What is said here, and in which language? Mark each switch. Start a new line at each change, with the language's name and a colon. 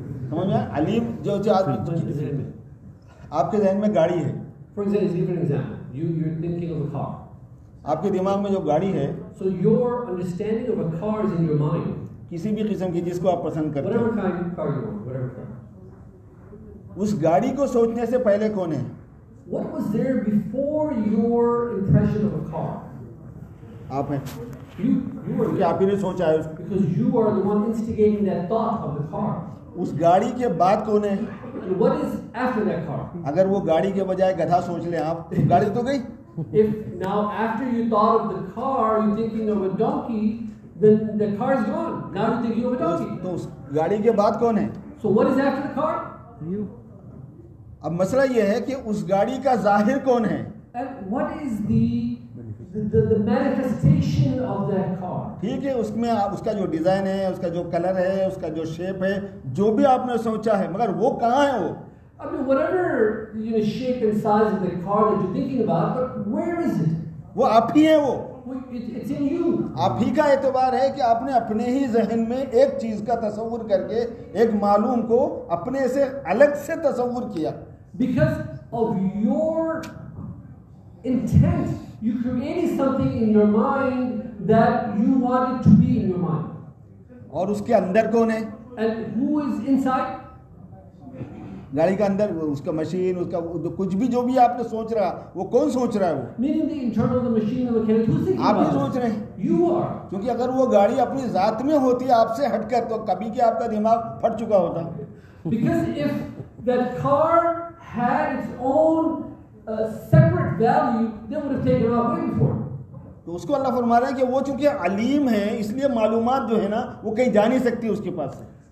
Urdu: سمجھ میں علیم جو آپ کے ذہن میں گاڑی ہے.
English: For example, give an example. You're thinking of a car.
Urdu: آپ کے دماغ میں جو گاڑی ہے
English: so your understanding of a car is in your mind.
Urdu: کسی بھی قسم کی جس کو آپ پسند کرتے ہیں
English: whatever kind of car you want, whatever.
Urdu: اس گاڑی کو سوچنے سے پہلے کون ہے؟
English: What was there before your impression of a car?
Urdu: آپ ہیں.
English: You are
Urdu: کیونکہ آپ ہی نے سوچا ہے.
English: Because you are the one instigating that thought of the car.
Urdu: اس گاڑی کے بعد کون ہے؟
English: What is after that car?
Urdu: اگر وہ گاڑی کے بجائے گدھا سوچ لیں آپ گاڑی تو گئی.
English: If now after you thought of the car, you're thinking of a donkey, then the car is gone. Now you're thinking of a donkey.
Urdu: تو اس گاڑی کے بعد کون ہے؟
English: So what is after the car? You.
Urdu: اب مسئلہ یہ ہے کہ اس گاڑی کا ظاہر کون ہے؟
English: And what is the manifestation of that car?
Urdu: ٹھیک ہے اس میں اس کا جو ڈیزائن ہے اس کا جو کلر ہے اس کا جو شیپ ہے جو بھی آپ نے سوچا ہے مگر وہ کہاں ہے وہ؟
English: I mean, whatever you know, shape and size of the car that you're thinking about, but where is it?
Urdu: وہ آپ ہی ہیں وہ.
English: It's in you.
Urdu: آپ ہی کا اعتبار ہے کہ آپ نے اپنے ہی ذہن میں ایک چیز کا تصور کر کے ایک معلوم کو اپنے سے الگ سے تصور کیا.
English: Because of your intent, you created something in your mind that you wanted to be in your mind.
Urdu: اور اس کے اندر کون ہے؟
English: And who is inside?
Urdu: گاڑی کا اندر اس کا مشین اس کا کچھ بھی جو بھی آپ نے سوچ رہا وہ کون سوچ رہا ہے وہ
English: meaning the internal of the machine and the mechanic who's
Urdu: آپ ہی سوچ رہے ہیں
English: you are
Urdu: کیونکہ اگر وہ گاڑی اپنی ذات میں ہوتی آپ سے ہٹ کر تو کبھی کہ آپ کا دماغ پھٹ چکا ہوتا
English: because if that car had its own separate value they would have taken it off way before
Urdu: تو اس کو اللہ فرما رہا ہے کہ وہ چونکہ علیم ہے اس لیے معلومات جو ہے نا وہ کہیں جا نہیں سکتی اس کے پاس سے.